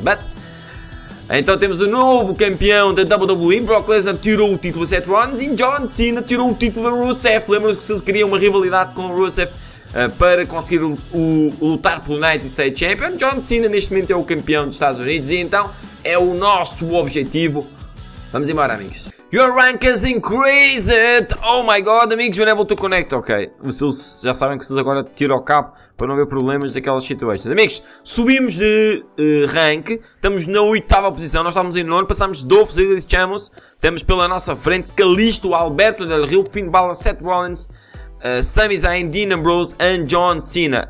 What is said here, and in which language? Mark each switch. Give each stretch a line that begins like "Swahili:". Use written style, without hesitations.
Portuguese: But, então temos o novo campeão da WWE. Brock Lesnar tirou o título a Seth Rollins e John Cena tirou o título a Rusev. Lembram-se que vocês queriam uma rivalidade com o Rusev para conseguir lutar pelo United States Champion. John Cena neste momento é o campeão dos Estados Unidos e então é o nosso objetivo. Vamos embora, amigos.
English: Your rank has increased. Oh my god, amigos, you're able to connect.
Portuguese: Ok, vocês já sabem que vocês agora tiram o cabo para não haver problemas daquelas situações. Amigos, subimos de rank, estamos na 8ª posição, nós estávamos em 9, passámos de Dolph Ziggler e Chamos. Temos pela nossa frente Kalisto, Alberto Del Rio, Finn Balor, Seth Rollins, Sami Zayn, Dean Ambrose e John Cena.